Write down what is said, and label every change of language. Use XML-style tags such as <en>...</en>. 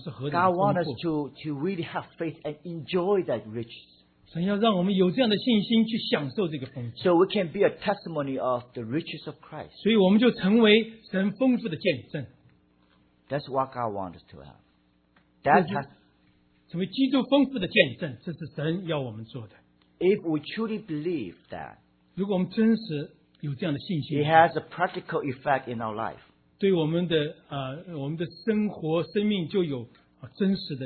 <en>God wants us to really have faith and enjoy that riches.</en> <zh>神要让我们有这样的信心去享受这个丰富,</zh> <en>so we can be a testimony of the riches of Christ.</en> <zh>所以我们就成为神丰富的见证,</zh> <en>that's what God wants to have. That has,</en> <zh>成为基督丰富的见证, 这是神要我们做的.</zh> <en>If we truly believe that,</en> <zh>如果我们真实有这样的信心,</zh> <en>it has a practical effect in our life.</en> <zh>对我们的, 我们的生活, 生命就有, 真实的,</zh>